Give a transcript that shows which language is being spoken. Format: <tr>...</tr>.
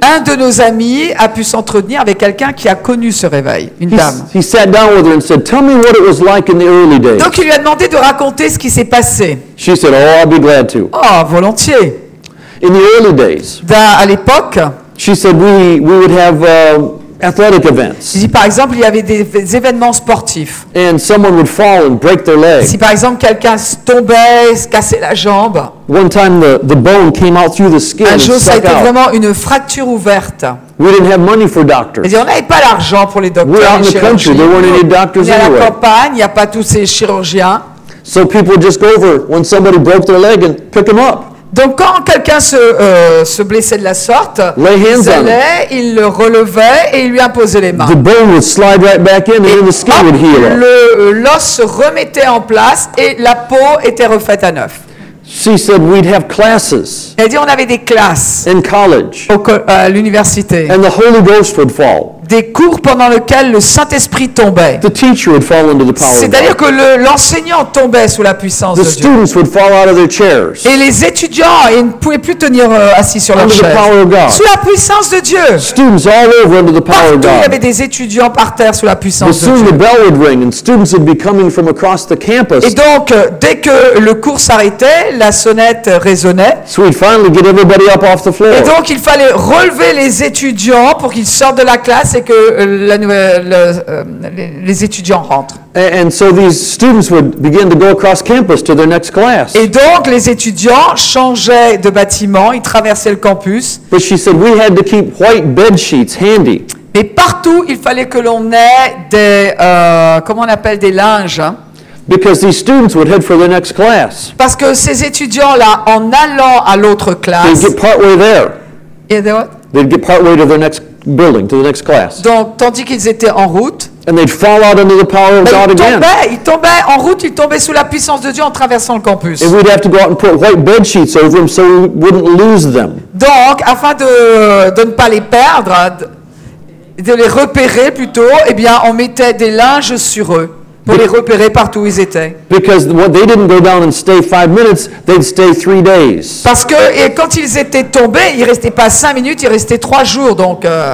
<fr>Un de nos amis a pu s'entretenir avec quelqu'un qui a connu ce réveil, une dame.</fr> <en>He sat down with her and said, "Tell me what it was like in the early days."</en> <fr>Donc il lui a demandé de raconter ce qui s'est passé.</fr> <en>She said, "Oh, I'll be glad to."</en> <fr>Oh, volontiers.</fr> <en>In the early days.</en> <fr>À l'époque.</fr> <en>She said, "We would have." Athletic events.</en> <fr>Si par exemple il y avait des événements sportifs.</fr> <en>And someone would fall and break their leg.</en> <fr>Si par exemple quelqu'un tombait, se cassait la jambe.</fr> <en>One time the bone came out through the skin.</en> <fr>Un jour ça a été</fr> <en>out.</en> <fr>Vraiment une fracture ouverte.</fr> <en>We didn't have money for doctors.</en> <fr>Et on n'avait pas l'argent pour les docteurs.</fr> <en>We're out in the country. There weren't any doctors anywhere.</en> <fr>On est à la campagne, il y a pas tous ces chirurgiens.</fr> <en>So people would just go over when somebody broke their leg and pick them up.</en> <fr>Donc quand quelqu'un se blessait de la sorte, ils allaient, ils le relevaient et ils lui imposaient les mains.</fr> <en>The bone would slide right back in and the skin would heal.</en> <fr>L'os se remettait en place et la peau était refaite à neuf.</fr> <en>She said we'd have classes.</en> <fr>Elle dit on avait des classes.</fr> <en>In college.</en> <fr>À l'université.</fr> <en>And the Holy Ghost would fall.</en> <fr>des cours pendant lesquels le Saint-Esprit tombait.</fr> <en>The teacher would fall under the power.</en> <fr>C'est-à-dire que l'enseignant tombait sous la puissance</fr> <en>the</en> <fr>de</fr> <en>students</en> <fr>Dieu.</fr> <en>Would fall out of their chairs.</en> <fr>Et les étudiants, ils ne pouvaient plus tenir assis sur leurs chaises.</fr> <en>Under the power of God.</en> <fr>Sous la puissance de Dieu.</fr> <en>Students all over under the power</en> <fr>partout</fr> <en>of God.</en> <fr>Il y avait des étudiants par terre sous la puissance</fr> <en>the</en> <fr>de Dieu.</fr> <en>The bell would ring and students would be coming from across the campus.</en> <fr>Et donc, dès que le cours s'arrêtait, la sonnette résonnait.</fr> <en>So we'd finally get everybody up off the floor.</en> <fr>Et donc, il fallait relever les étudiants pour qu'ils sortent de la classe et que les étudiants rentrent.</fr> <en>And so these students would begin to go across campus to their next class.</en> <fr>Et donc les étudiants changeaient de bâtiment, ils traversaient le campus.</fr> <en>But she said we had to keep white bed sheets handy.</en> <fr>Mais partout il fallait que l'on ait des comment on appelle des linges. Hein?</fr> <en>Because these students would head for their next class.</en> <fr>Parce que ces étudiants là en allant à l'autre classe.</fr> <en>They'd get partway there. Yeah, they what? They'd get partway to their next building, to the next class.</en> <fr>Donc tandis qu'ils étaient en route.</fr> <en>And they'd fall out under the power of God again.</en> <fr>Ils tombaient en route, ils tombaient sous la puissance de Dieu en traversant le campus.</fr> <en>And we'd have to go out and put white bed sheets over them so we wouldn't lose them.</en> <fr>Donc afin de ne pas les perdre, de les repérer plutôt, eh bien on mettait des linges sur eux. Pour les repérer partout où ils étaient.</fr> <en>Because they didn't go down and stay 5 minutes, they'd stay 3 days.</en> <fr>Parce que et quand ils étaient tombés, ils restaient pas 5 minutes, ils restaient 3 jours, donc.</fr>